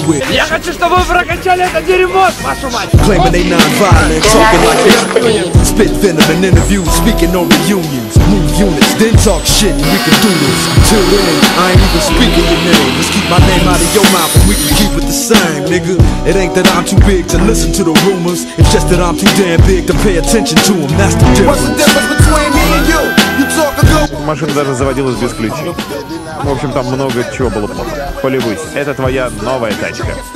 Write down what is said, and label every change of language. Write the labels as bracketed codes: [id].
[ru] Я хочу, чтобы вы прокачали это дерьмо, вашу мать! [en] Claiming they non-violent, talking like it's spit venom in interviews, speaking on reunions. Move units, then talk shit, we can do this. Till then, I ain't even speaking your name. Just keep my name out of your mouth and we can keep it the same, nigga. It ain't that I'm too big to listen to the rumors. It's just that I'm too damn big to pay attention to them. That's the difference. [ru] Машина даже заводилась без ключей. В общем, там много чего было плохо. Полюбуйся, это твоя новая тачка.